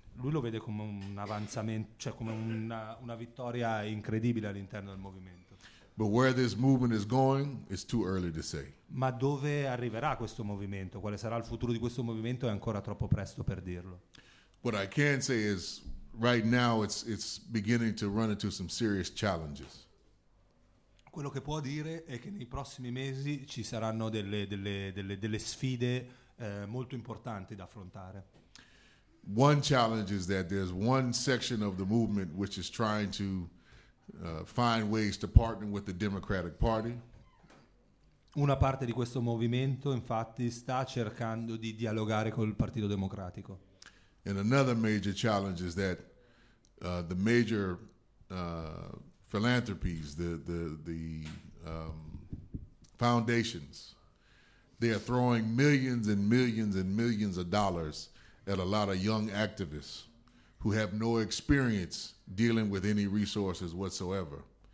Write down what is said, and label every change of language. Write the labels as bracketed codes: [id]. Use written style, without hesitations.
[it] Lui lo vede come un avanzamento, cioè come una vittoria incredibile all'interno del movimento. [en] But where this movement is going, it's too early to say. [it] Ma dove arriverà questo movimento? Quale sarà il futuro di questo movimento? È ancora troppo presto per dirlo. [en] What I can say is, right now it's beginning to run into some serious challenges. [it] Quello che può dire è che nei prossimi mesi ci saranno delle sfide molto importanti da affrontare. [en] One challenge is that there's one section of the movement which is trying to find ways to partner with the Democratic Party. [it] Una parte di questo movimento, infatti, sta cercando di dialogare col Partito Democratico. [en] And another major challenge is that the major philanthropies, the foundations, they are throwing millions and millions and millions of dollars at a lot of young activists who have no experience dealing with any resources whatsoever.